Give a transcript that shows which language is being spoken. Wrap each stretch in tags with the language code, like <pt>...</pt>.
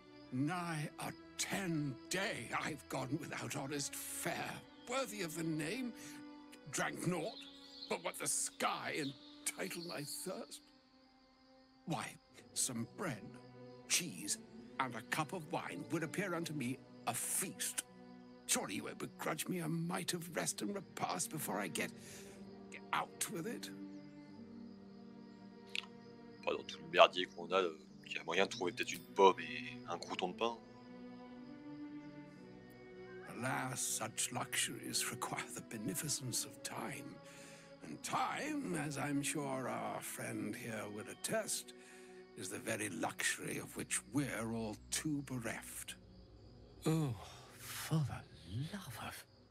<en>Nigh a 10 days I've gone without honest fare, worthy of the name, drank naught but what the sky entitled my thirst. Why, some bread, cheese, and a cup of wine would appear unto me a feast. Surely you won't begrudge me a mite of rest and repast before I get out with it.</en> <fr>Pas dans tout le merdier qu'on a, qu'il y a moyen de trouver peut-être une pomme et un crouton de pain.</fr> <en>Alas, such luxuries require the beneficence of time. And time, as I'm sure our friend here will attest, is the very luxury of which we're all too bereft. Oh, for the love of...</en>